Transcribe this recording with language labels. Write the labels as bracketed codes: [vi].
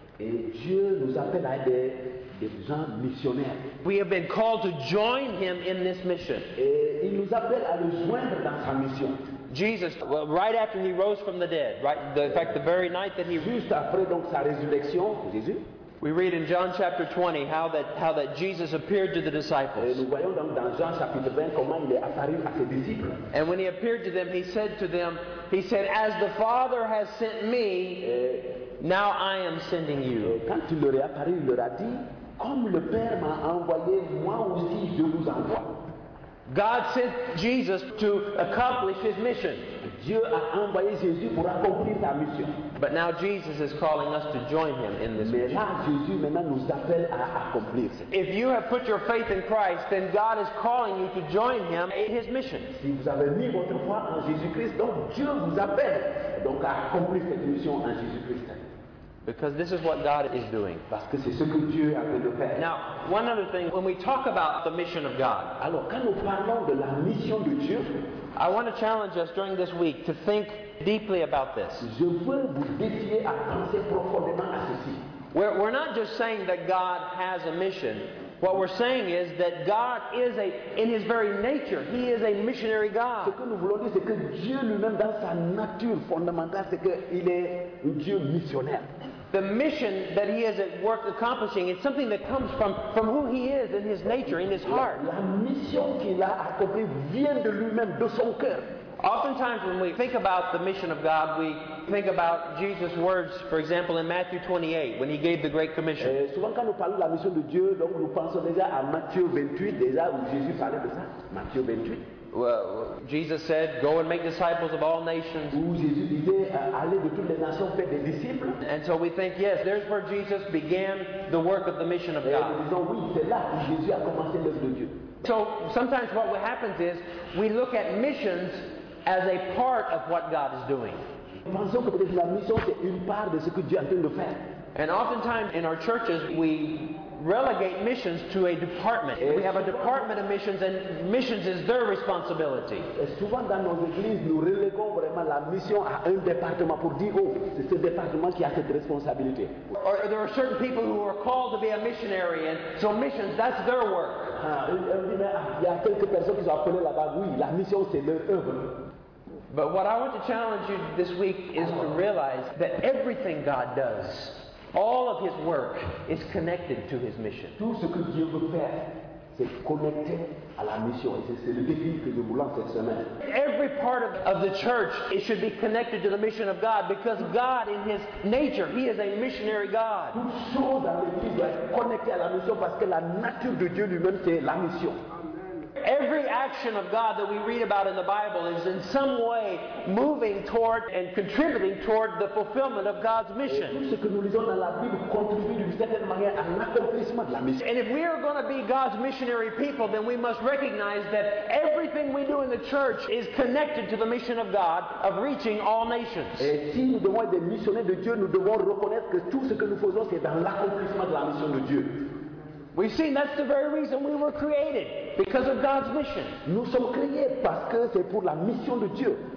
[en] We have been called to join him in this mission. Jesus, right after he rose from the dead, right, in fact, the very night that he [fr] juste après donc sa résurrection, Jésus. [en] We read in John chapter 20 how that Jesus appeared to the disciples. [fr] Nous voyons donc dans Jean chapitre 20 comment il est apparu à ses disciples. [en] And when he appeared to them, he said, as the Father has sent me, Now I am sending you. [fr] Quand il leur est apparu, il leur a dit, comme le Père m'a envoyé, moi aussi je vous envoie. [en] God sent Jesus to accomplish his mission. [fr] Dieu a envoyé Jésus pour accomplir sa mission. [en] But now Jesus is calling us to join him in this mission. [fr] Mais là, Jésus maintenant nous appelle à accomplir. [en] If you have put your faith in Christ, then God is calling you to join him in his mission. [fr] Si vous avez mis votre foi en Jésus-Christ, donc Dieu vous appelle donc à accomplir cette mission en Jésus-Christ. [en] Because this is what God is doing. [fr] Parce que c'est ce que Dieu a fait de faire. [en] Now, one other thing, when we talk about the mission of God, [fr] alors, quand nous parlons de la mission de Dieu, [en] I want to challenge us during this week to think deeply about this. [fr] Je veux vous défier à penser profondément à ceci. [en] We're not just saying that God has a mission. What we're saying is that God is a, in his very nature, he is a missionary God. [fr] Ce que nous voulons dire, c'est que Dieu lui-même dans sa nature fondamentale, c'est qu'il est un Dieu missionnaire. [en] The mission that he is at work accomplishing is something that comes from who he is in his nature, in his heart. [fr] La mission qu'il a accomplie vient de lui-même, de son cœur. [en] Oftentimes when we think about the mission of God, we think about Jesus' words, for example, in Matthew 28, when he gave the Great Commission. [fr] Souvent quand nous parlons de la mission de Dieu, donc nous pensons déjà à Matthieu 28, déjà où Jésus parlait de ça, Matthieu 28. [en] Well, Jesus said, go and make disciples of all nations. [fr] Où Jésus disait, allez de toutes les nations, faites des disciples. [en] And so we think, yes, there's where Jesus began the work of the mission of God. [fr] Et nous disons, oui, c'est là où Jésus a commencé l'œuvre de Dieu. [en] So sometimes what happens is we look at missions as a part of what God is doing. [fr] Pensons que peut-être la mission c'est une part de ce que Dieu est en train de faire. [en] And oftentimes in our churches we relegate missions to a department. We have a department of missions and missions is their responsibility. [fr] Souvent dans nos églises nous reléguons vraiment la mission à un département pour dire oh c'est ce département qui a cette responsabilité. [en] Or there are certain people who are called to be a missionary and so missions that's their work. [fr] Il y a quelques personnes qui sont appelées là-bas. Oui, la mission c'est leur œuvre. [en] But what I want to challenge you this week is to realize that everything God does, all of his work is connected to his mission. [fr] Tout ce que Dieu veut faire, c'est connecté à la mission. Et c'est le défi que nous voulons cette semaine. [en] Every part of the church, it should be connected to the mission of God because God in his nature, he is a missionary God. [fr] Tout ce dans l'église doit être connecté à la mission parce que la nature de Dieu lui-même, c'est la mission. [en] Every action of God that we read about in the Bible is in some way moving toward and contributing toward the fulfillment of God's mission. [fr] Tout ce que nous lisons dans la Bible contribue d'une certaine manière à l'accomplissement de la mission. [en] And if we are going to be God's missionary people, then we must recognize that everything we do in the church is connected to the mission of God of reaching all nations. [fr] Et si nous devons être des missionnaires de Dieu, nous devons reconnaître que tout ce que nous faisons, c'est dans l'accomplissement de la mission de Dieu. [en] We've seen that's the very reason we were created, because of God's mission. [fr] Nous sommes créés parce que c'est pour la mission de Dieu.